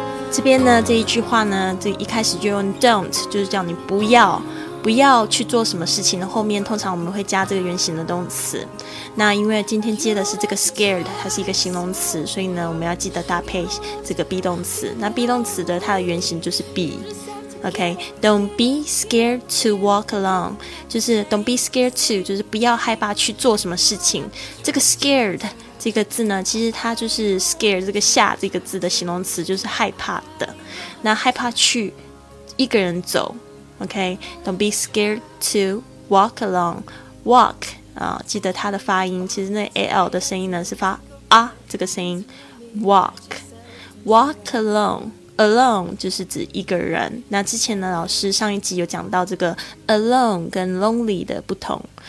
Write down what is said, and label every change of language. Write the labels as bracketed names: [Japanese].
[Chinese] 这边呢，这一句话呢，这一开始就用 don't， 就是叫你不要去做什么事情的后面，通常我们会加这个原形的动词。那因为今天接的是这个 scared， 它是一个形容词，所以呢，我们要记得搭配这个 be 动词。那 be 动词的它的原形就是 be。 [English] Okay, don't be scared to walk alone. [Chinese] 就是 [English] don't be scared to， [Chinese] 就是不要害怕去做什么事情。这个 scared 这个字呢，其实它就是 scare 这个吓这个字的形容词，就是害怕的。那害怕去一个人走。 [English] Okay, don't be scared to walk alone. [Chinese] Walk 啊，记得它的发音，其实那 al 的声音呢是发啊这个声音。 [English] Walk, walk alone. [Chinese] Alone 就是指一个人。那之前呢，老师上一集有讲到这个 alone 跟 lonely 的不同。